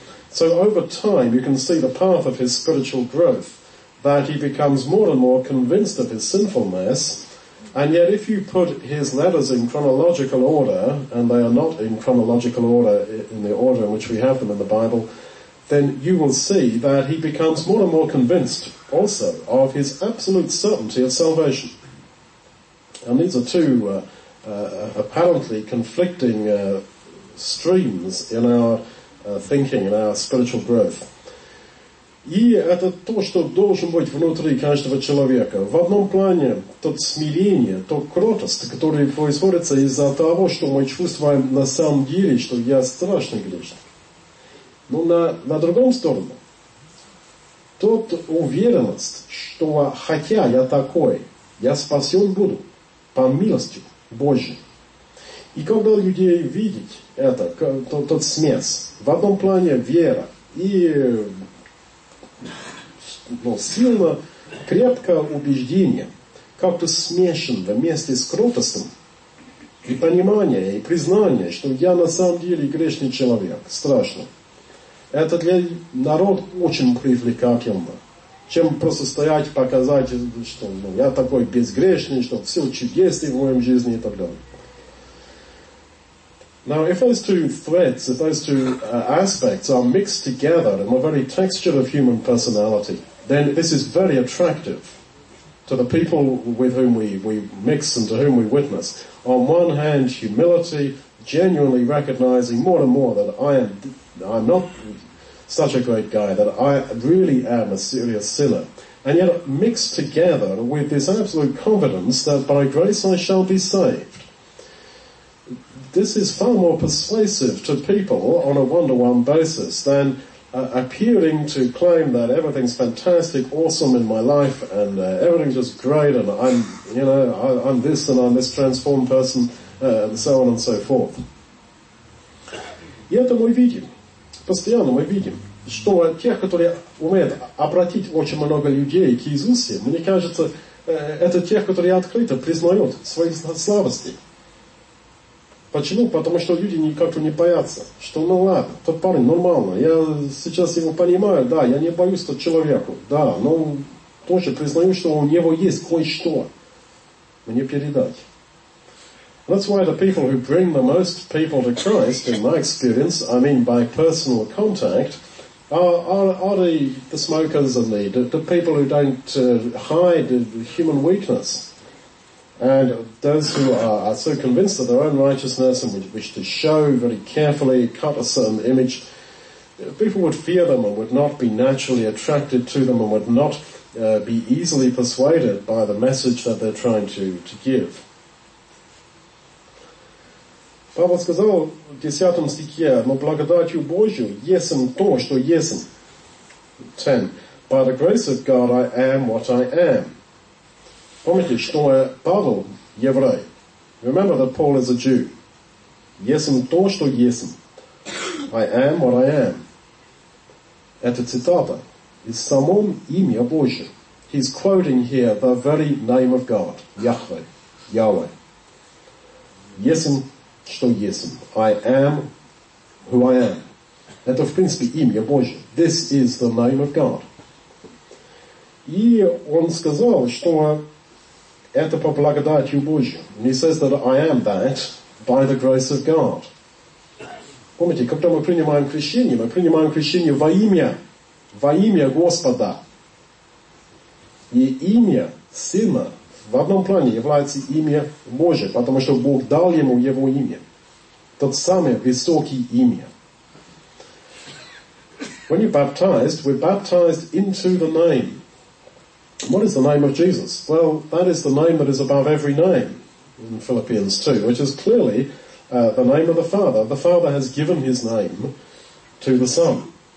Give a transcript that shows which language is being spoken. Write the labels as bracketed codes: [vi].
[en] So over time you can see the path of his spiritual growth, that he becomes more and more convinced of his sinfulness, and yet if you put his letters in chronological order, and they are not in chronological order in the order in which we have them in the Bible, then you will see that he becomes more and more convinced also of his absolute certainty of salvation. And these are two apparently conflicting streams in our thinking, in our spiritual growth. [ru] И это то, что должен быть внутри каждого человека. В одном плане, то смирение, то кротость, которая происходит из-за того, что мы чувствуем на самом деле, что я страшный грешник. Но на другом стороне, тот уверенность, что хотя я такой, я спасен буду по милости Божьей. И когда людей видят это, тот смесь, в одном плане вера и сильно крепкое убеждение, как-то смешан вместе с кротостом, и понимание, и признание, что я на самом деле грешный человек, страшно. Это для народа очень привлекательно, чем просто стоять, показать, что я такой безгрешный, что все чудесное в моем жизни и так далее. [en] Now, if those two threads, if those two aspects are mixed together in the very texture of human personality, then this is very attractive to the people with whom we mix and to whom we witness. On one hand, humility, genuinely recognizing more and more that I'm not such a great guy, that I really am a serious sinner. And yet mixed together with this absolute confidence that by grace I shall be saved. This is far more persuasive to people on a one-to-one basis than appearing to claim that everything's fantastic, awesome in my life, and everything's just great, and I'm this, and I'm this transformed person, and so on and so forth. [ru] И это мы видим. Постоянно мы видим, что тех, которые умеют обратить очень много людей к Иисусу, мне кажется, это тех, которые открыто признают свои слабости. Почему? Потому что люди никак не боятся, что ну ладно, тот парень нормально, я сейчас его понимаю, да, я не боюсь тот человеку, да, но тоже признаю, что у него есть кое-что мне передать. [en] That's why the people who bring the most people to Christ, in my experience, I mean by personal contact, are the smokers and the people who don't hide human weakness. And those who are so convinced of their own righteousness and wish to show very carefully, cut a certain image, people would fear them and would not be naturally attracted to them and would not be easily persuaded by the message that they're trying to give. [ru] Павел сказал в 10 стихе, «Но благодатью Божию есм то, что есм». [en] 10. «By the grace of God I am what I am». [ru] Помните, что Павел еврей. [en] Remember that Paul is a Jew. [ru] Есм то, что есм. [en] I am what I am. [ru] Это цитата. Из самом имя Божия. [en] He's quoting here the very name of God. [ru] Яхве. Яхве. Есм что есм. [en] I am who I am. [ru] Это в принципе имя Божие. [en] This is the name of God. [ru] И он сказал, что это по благодатью Божию. [en] And he says that I am that by the grace of God. [ru] Помните, когда мы принимаем крещение во имя Господа. И имя Сына в одном плане является имя Божие, потому что Бог дал ему его имя. Тот самый высокий имя. [en] When you're baptized, we're baptized into the name. What is the name of Jesus? Well, that is the name that is above every name in Philippians 2, which is clearly the name of the Father. The Father has given his name to the Son.